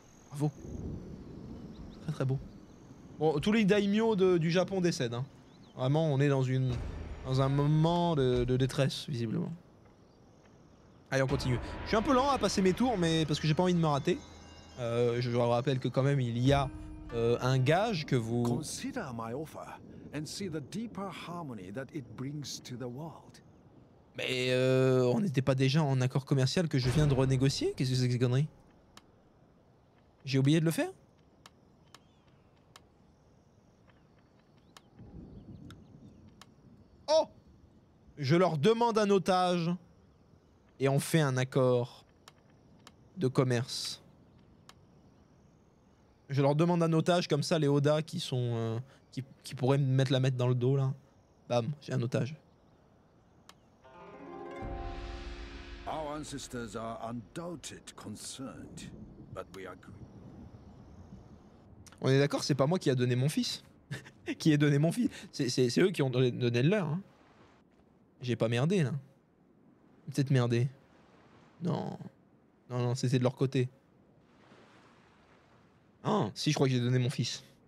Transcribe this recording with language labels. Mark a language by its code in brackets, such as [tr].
[fr] Bravo. Très très beau. Bon, tous les daimyo du Japon décèdent. Hein. Vraiment, on est dans un moment de détresse, visiblement. Allez, on continue. Je suis un peu lent à passer mes tours, mais parce que j'ai pas envie de me rater. Je vous rappelle que quand même, il y a un gage que vous... [en] Consider my offer and see the deeper harmony that it brings to the world. [fr] Mais on n'était pas déjà en accord commercial que je viens de renégocier? Qu'est-ce que c'est que ces conneries? J'ai oublié de le faire? Oh! Je leur demande un otage et on fait un accord de commerce. Je leur demande un otage, comme ça les Oda qui sont qui pourraient me mettre la mettre dans le dos là. Bam, j'ai un otage. [en] Our ancestors are undoubted concerned, but we agree. [fr] On est d'accord, c'est pas moi qui a donné mon fils. Qui ai donné mon fils. C'est eux qui ont donné le leur. Hein. J'ai pas merdé là. Peut-être merdé. Non. Non, non, c'était de leur côté. Ah, si, je crois que j'ai donné mon fils.